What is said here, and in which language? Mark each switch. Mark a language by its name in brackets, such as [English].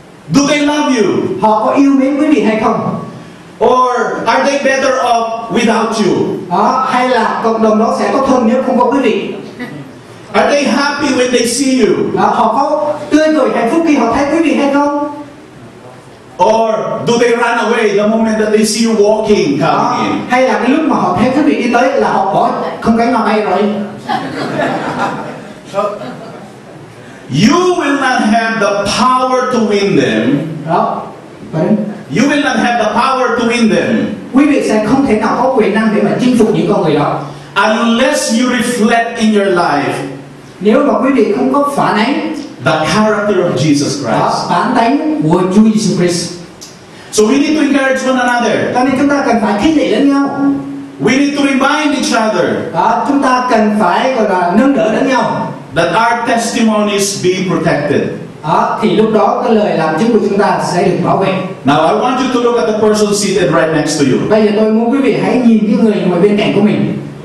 [English] Do they love you? [Vietnamese] Họ có yêu mến quý vị hay không? [English] Or are they better off without you? [Vietnamese] À, hay là cộng đồng đó sẽ tốt hơn nếu không có quý vị? [English] Are they happy when they see you? [Vietnamese] À, họ có tươi cười hạnh phúc khi họ thấy quý vị hay không? [English] Or do they run away the moment that they see you walking coming in? [Vietnamese] À, hay là cái lúc mà họ thấy quý vị đi tới là họ bỏ không cánh mà bay rồi? [English] You will not have the power to win them. [Vietnamese] Đó. [English] You will not have the power to win them. [Vietnamese] Quý vị sẽ không thể nào có quyền năng để mà chinh phục những con người đó. [English] Unless you reflect in your life [Vietnamese] Nếu mà quý vị không có phản ánh [English] the character of Jesus Christ, [Vietnamese] bản tánh của Chúa Giêsu Christ. [English] So we need to encourage one another. [Vietnamese] Cho nên chúng ta cần phải khích lệ lẫn nhau. [English] We need to remind each other. [Vietnamese] Chúng ta cần phải gọi là nâng đỡ lẫn nhau. [English] That our testimonies be protected. [Vietnamese] Thì lúc đó cái lời làm chứng của chúng ta sẽ được bảo vệ. [English] Now I want you to look at the person seated right next to you. [Vietnamese] Bây giờ tôi muốn quý vị hãy nhìn cái người ngồi bên cạnh của mình.